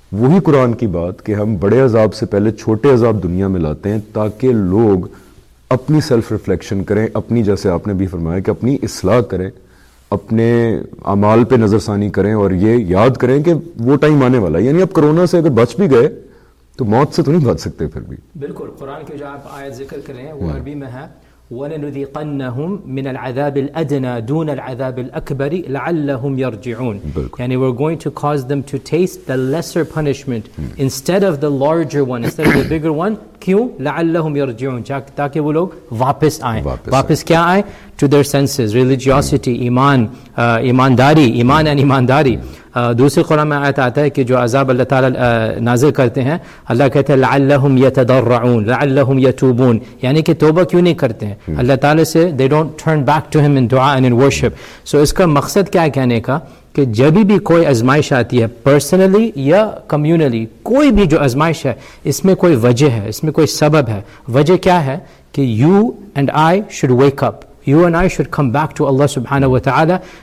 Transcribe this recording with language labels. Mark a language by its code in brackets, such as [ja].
[ur] وہی قرآن کی بات کہ ہم بڑے عذاب سے پہلے چھوٹے عذاب دنیا میں لاتے ہیں تاکہ لوگ اپنی سیلف ریفلیکشن کریں اپنی جیسے آپ نے بھی فرمایا کہ اپنی اصلاح کریں اپنے اعمال پہ نظر ثانی کریں اور یہ یاد کریں کہ وہ ٹائم آنے والا ہے. یعنی اب کرونا سے اگر بچ بھی گئے تو موت سے تو نہیں بچ سکتے پھر بھی. بالکل قرآن کے جو آپ آیت ذکر کریں وہ عربی میں ہے [ar] وَلَنُذِيقَنَّهُمْ مِنَ الْعَذَابِ الْأَدْنَى دُونَ الْعَذَابِ الْأَكْبَرِ لَعَلَّهُمْ يَرْجِعُونَ. [ur] بالکل. [en] يعني we're going to cause them to taste the lesser punishment instead of the larger one, instead of the bigger one. [ur] کیوں؟ [ar] لَعَلَّهُمْ يَرْجِعُونَ [ur] تاکہ وہ لوگ واپس آئیں. واپس کیا آئیں؟ [en] to their senses, religiosity, [ur] ایمان, ایمانداری, ایمان and ایمانداری. دوسرے قرآن میں آیت آتا ہے کہ جو عذاب اللہ تعالیٰ نازل کرتے ہیں اللہ کہتے ہیں [ar] لعلہم یتضرعون لعلہم یتوبون [ur] یعنی کہ توبہ کیوں نہیں کرتے ہیں اللہ تعالیٰ سے. [en] they don't turn back to him in دعا and in worship. [ur] سو اس کا مقصد کیا کہنے کا کہ جب بھی کوئی ازمائش آتی ہے پرسنلی یا کمیونلی کوئی بھی جو ازمائش ہے اس میں کوئی وجہ ہے اس میں کوئی سبب ہے. وجہ کیا ہے کہ [en] You and I should wake up you and I should come back to اللہ سبحانہ و تعالیٰ.